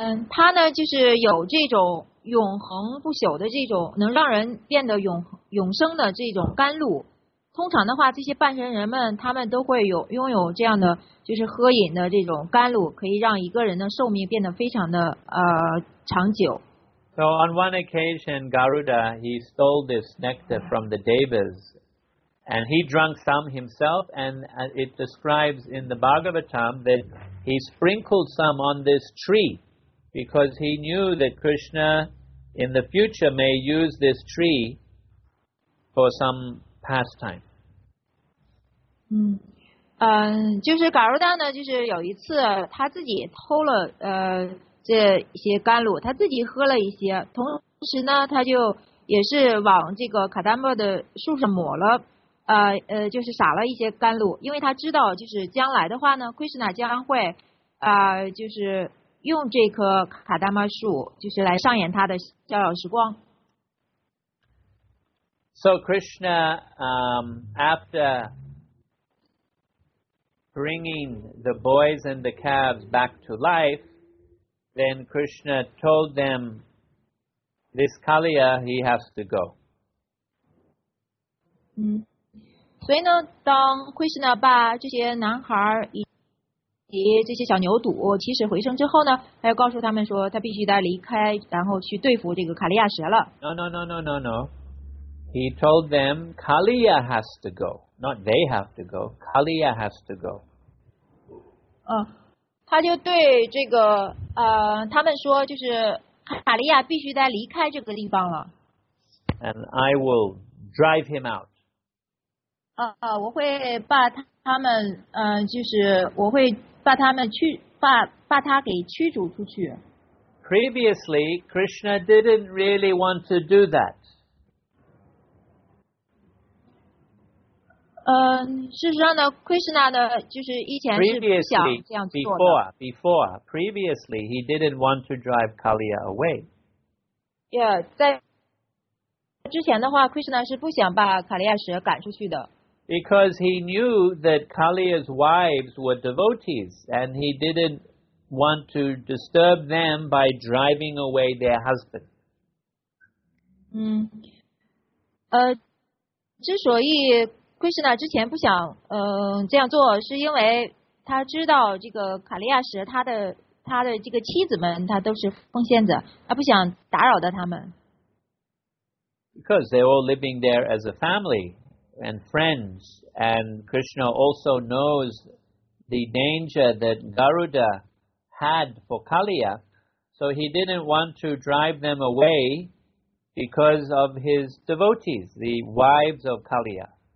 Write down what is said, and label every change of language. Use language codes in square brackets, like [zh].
[zh] 他呢就是有这种永恒不朽的这种能让人变得永生的这种甘露。通常的话这些半神人们他们都会拥有这样的就是喝饮的这种甘露，可以让一个人的寿命变得非常的长久。 [en] So on one occasion, Garuda, he stole this nectar from the devas. And he drank some himself, and it describes in the Bhagavatam that he sprinkled some on this tree because he knew that Krishna in the future may use this tree for some pastime. [zh] 就是嘎鲁达呢，就是有一次他自己偷了这一些甘露，他自己喝了一些，同时呢，他就也是往这个卡达莫的树上抹了。就是撒了一些甘露，因为他知道就是将来的话呢奎什纳将会就是用这棵卡达玛树就是来上演他的逍遥时光。 [en] So Krishna, after bringing the boys and the calves back to life, then Krishna told them, this Kaliya, he has to go. [zh] 所以呢当奎什纳把这些男孩以及这些小牛犊起死回生之后呢他又告诉他们说他必须得离开然后去对付这个卡利亚蛇了。 [en] No. He told them, Kaliya has to go. Not they have to go. Kaliya has to go. [zh] 他就对这个他们说就是卡利亚必须得离开这个地方了。 [en] And I will drive him out. [zh] 我会把他们就是我会把他们去把他给驱逐出去。 [en] Previously, Krishna didn't really want to do that. [zh] 事实上呢 ，Krishna 呢就是以前是不想这样做的。 [en] Previously, he didn't want to drive Kaliya away. [zh] Yeah, 在之前的话 ，Krishna 是不想把卡利亚蛇赶出去的。 [en] Because he knew that Kaliya's wives were devotees and he didn't want to disturb them by driving away their husband. [zh] 之所以 Krishna 之前不想这样做是因为他知道这个卡利亚时他的这个妻子们他都是奉献者，他不想打扰到他们。 [en] Because they were living there as a family. And friends, and Krishna also knows the danger that Garuda had for Kaliya, so he didn't want to drive them away because of his devotees, the wives of Kaliya.